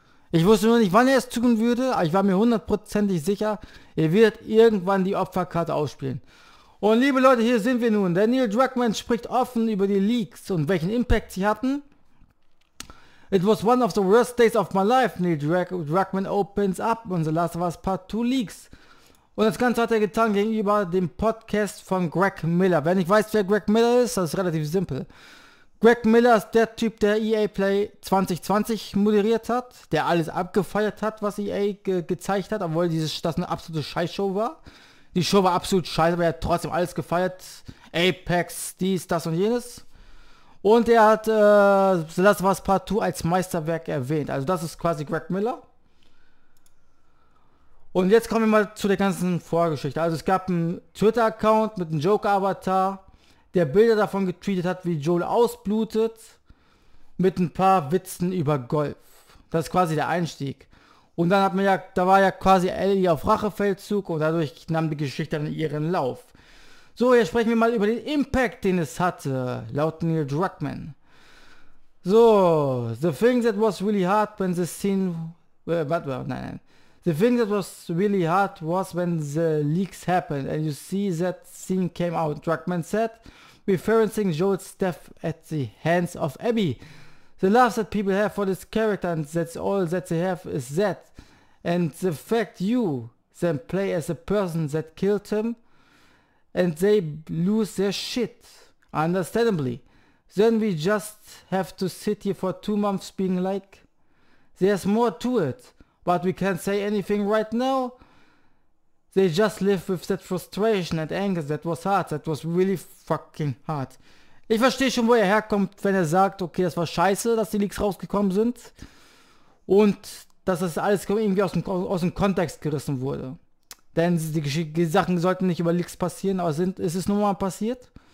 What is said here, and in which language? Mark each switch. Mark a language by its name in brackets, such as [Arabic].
[German] Ich wusste nur nicht, wann er es tun würde, aber ich war mir hundertprozentig sicher, er wird irgendwann die Opferkarte ausspielen. Und liebe Leute, hier sind wir nun. Der Neil Druckmann spricht offen über die Leaks und welchen Impact sie hatten. [English] It was one of the worst days of my life. Neil Druckmann opens up on The Last of Us Part 2 Leaks. [German] Und das Ganze hat er getan gegenüber dem Podcast von Greg Miller. Wenn ich weiß, wer Greg Miller ist, das ist relativ simpel. Greg Miller ist der Typ, der EA Play 2020 moderiert hat, der alles abgefeiert hat, was EA ge gezeigt hat, obwohl das eine absolute Scheißshow war. Die Show war absolut scheiße, aber er hat trotzdem alles gefeiert. Apex, dies, das und jenes. Und er hat The Last of Us Part 2 als Meisterwerk erwähnt. Also das ist quasi Greg Miller. Und jetzt kommen wir mal zu der ganzen Vorgeschichte. Also es gab einen Twitter-Account mit einem Joker-Avatar, der Bilder davon getweetet hat, wie Joel ausblutet, mit ein paar Witzen über Golf. Das ist quasi der Einstieg. Und dann hat man ja, da war ja quasi Ellie auf Rachefeldzug und dadurch nahm die Geschichte dann ihren Lauf. So, jetzt sprechen wir mal über den Impact, den es hatte, laut Neil Druckmann. [English] So, the thing that was really hard when the scene, [German] nein, nein. [English] The thing that was really hard was when the leaks happened and you see that scene came out, Druckmann said, referencing Joel's death at the hands of Abby. The love that people have for this character and that's all that they have is that. And the fact you then play as a person that killed him and they lose their shit, understandably. Then we just have to sit here for 2 months being like, there's more to it. But we can't say anything right now. They just live with that frustration and anger. That was hard. That was really fucking hard. [German] Ich verstehe schon, wo er herkommt, wenn er sagt, okay, das war scheiße, dass die Leaks rausgekommen sind. Und dass das alles irgendwie aus dem Kontext gerissen wurde. Denn die Sachen sollten nicht über Leaks passieren, aber es ist nun mal passiert.